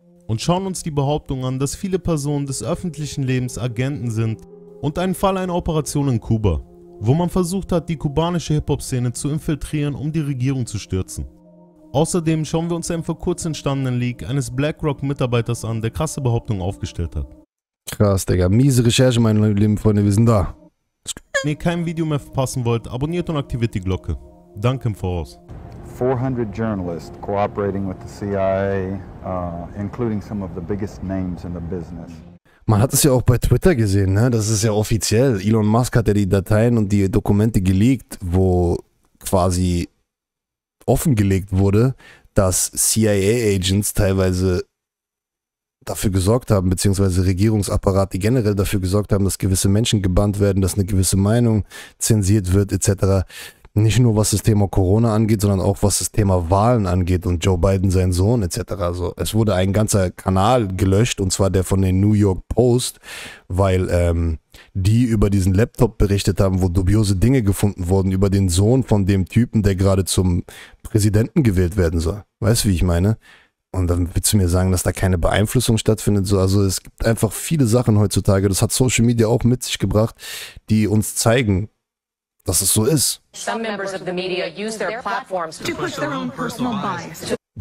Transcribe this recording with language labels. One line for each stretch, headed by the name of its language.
German: Und schauen uns die Behauptung an, dass viele Personen des öffentlichen Lebens Agenten sind und ein Fall einer Operation in Kuba, wo man versucht hat, die kubanische Hip-Hop-Szene zu infiltrieren, um die Regierung zu stürzen. Außerdem schauen wir uns einen vor kurzem entstandenen Leak eines BlackRock-Mitarbeiters an, der krasse Behauptungen aufgestellt hat. Krass, Digga. Miese Recherche, meine lieben Freunde. Wir sind da. Wenn ihr kein Video mehr verpassen wollt, abonniert und aktiviert die Glocke. Danke im Voraus.
English: 400 journalists cooperating with the CIA, including some of the biggest names in the business.
German: Man hat es ja auch bei Twitter gesehen, ne? Das ist ja offiziell. Elon Musk hat ja die Dateien und die Dokumente geleakt, wo quasi offengelegt wurde, dass CIA-Agents teilweise dafür gesorgt haben, beziehungsweise Regierungsapparat, die generell dafür gesorgt haben, dass gewisse Menschen gebannt werden, dass eine gewisse Meinung zensiert wird, etc. nicht nur was das Thema Corona angeht, sondern auch was das Thema Wahlen angeht und Joe Biden, sein Sohn etc. Also es wurde ein ganzer Kanal gelöscht, und zwar der von den New York Post, weil die über diesen Laptop berichtet haben, wo dubiose Dinge gefunden wurden über den Sohn von dem Typen, der gerade zum Präsidenten gewählt werden soll. Weißt du, wie ich meine? Und dann willst du mir sagen, dass da keine Beeinflussung stattfindet? So, also es gibt einfach viele Sachen heutzutage, das hat Social Media auch mit sich gebracht, die uns zeigen, dass es so ist.
English: Some members of the media use their platforms to push their own personal bias.